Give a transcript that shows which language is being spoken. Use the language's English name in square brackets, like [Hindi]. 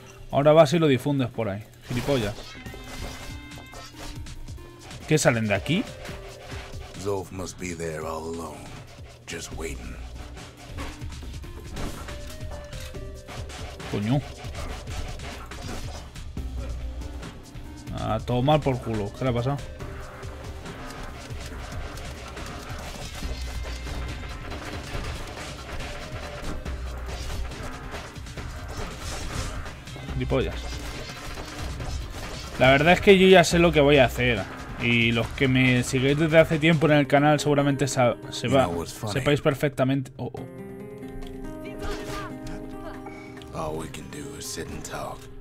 [Spanish] Ahora vas y lo difundes por ahí, gilipollas. ¿Qué salen de aquí? [English] Zulf must be there all alone, just waiting. [Spanish] Coño. Ah, todo mal por culo. ¿Qué le ha pasado? Gilipollas. La verdad es que yo ya sé lo que voy a hacer. Y los que me sigáis desde hace tiempo en el canal seguramente sepáis perfectamente. Oh, oh. [English] All we can do is sit and talk.